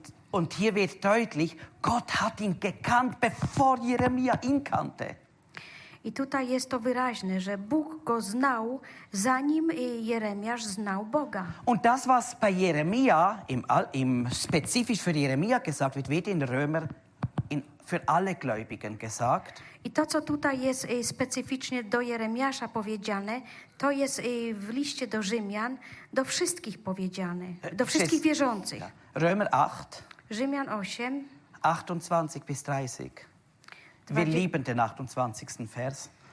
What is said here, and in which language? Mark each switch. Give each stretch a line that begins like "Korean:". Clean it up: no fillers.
German: Und hier wird deutlich, Gott hat ihn gekannt, bevor Jeremia ihn kannte.
Polish: I tutaj jest to wyraźne, że Bóg go znał, zanim Jeremiasz znał Boga.
German: Und das, was bei Jeremia, im spezifisch für Jeremia gesagt wird, wird in Römer für alle Gläubigen gesagt.
Polish: I to, co tutaj jest specyficznie do Jeremiasza powiedziane, to jest w liście do Rzymian do wszystkich powiedziane, do wszystkich wierzących.
German: Römer 8.
Polish: Rzymian 8.
German: 28 bis 30. Wir lieben den 28. Vers.